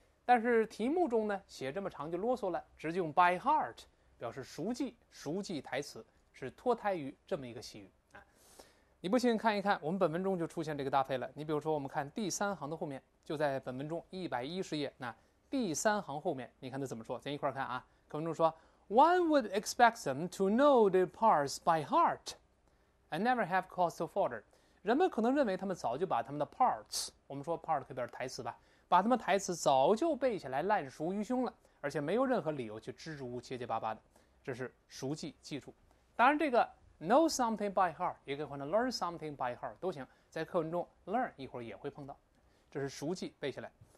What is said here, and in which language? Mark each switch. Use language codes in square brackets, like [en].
[zh] 但是题目中呢，写这么长就啰嗦了，直接用 by heart 表示熟记，熟记台词是脱胎于这么一个习语啊。你不信看一看，我们本文中就出现这个搭配了。你比如说，我们看第三行的后面，就在本文中110页，那第三行后面，你看他怎么说？咱一块儿看啊。课文中说， [en] One would expect them to know the parts by heart, and never have cause to falter。 [zh] 人们可能认为他们早就把他们的 parts，我们说 part 可以表示台词吧。把他们台词早就背下来，烂熟于胸了，而且没有任何理由去支支吾吾、结结巴巴的，这是熟记记住。当然，这个 know something by heart 也可以换成 learn something by heart 都行，在课文中 learn 一会儿也会碰到，这是熟记背下来。